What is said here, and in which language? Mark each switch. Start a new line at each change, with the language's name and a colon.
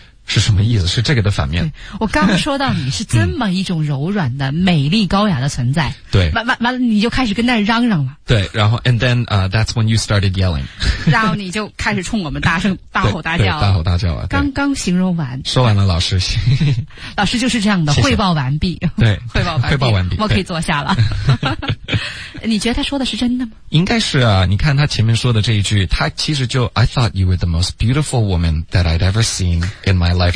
Chinese: 是什么意思？是这个的反面。我刚说到你是这么一种柔软的、美丽高雅的存在。对。完了你就开始跟那嚷嚷了。对，然后
English: and then, that's when you started yelling.
Chinese: 然后你就开始冲我们大声大吼大叫。大吼大叫啊。刚刚形容完。说完了老师。老师就是这样的，谢谢，汇报完毕。对。汇报完毕。我可以坐下了。你觉得他说的是真的吗？应该是啊，你看他前面说的这一句，他其实就
English: I thought you were the most beautiful woman that I'd ever seen in my life.